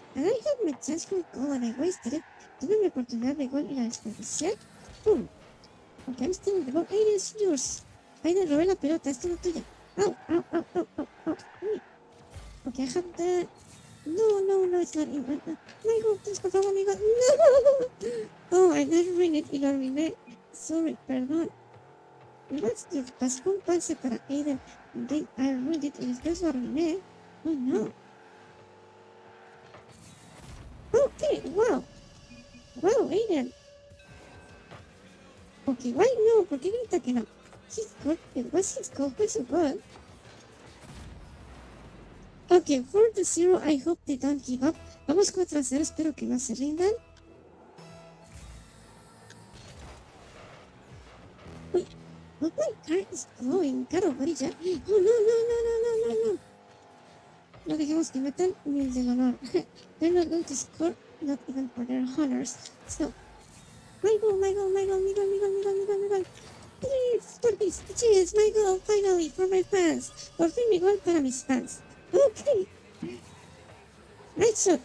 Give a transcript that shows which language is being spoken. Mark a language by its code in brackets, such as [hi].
[en] And I had my chance for goal and I wasted it. [es] Tuve mi oportunidad de gol y la desperdicié. [en] Boom. Okay, I'm still in the ball. Aiden, it's yours. Aiden, [es] robé la pelota. Esto no es tuya. [en] Ow, ow, ow, ow, ow, ow. Okay, I have the... No, no, no, it's not in. My God, please, [es] por favor, amigo. [en] No. Oh, I did ruin it. [es] Y lo arruiné. [en] Sorry, [es] perdón. [en] What's your pass? [es] Un pase para Aiden. [en] And then I ruined it. [es] Y después lo arruiné. [en] Oh, no. Okay, wow. Wow, Aiden. Okay, why no? [es] ¿Por qué grita que no? [en] His goal, it was his goal, it was a goal. Okay, 4-0, I hope they don't give up. [es] Vamos 4-0, espero que no se rindan. [en] Wait, but my car is glowing, [es] caro brilla. [en] Oh no, no, no, no, no, no, no. [es] No dejemos que metan ni el del honor. [en] They're not going to score, not even for their honors. So, my goal, my goal, my goal, my goal, my goal, my goal, my goal, my goal. Please, for this, cheers, my goal, finally, for my fans. [es] Por fin, mi goal para mis fans. [en] Okay. Nice shot.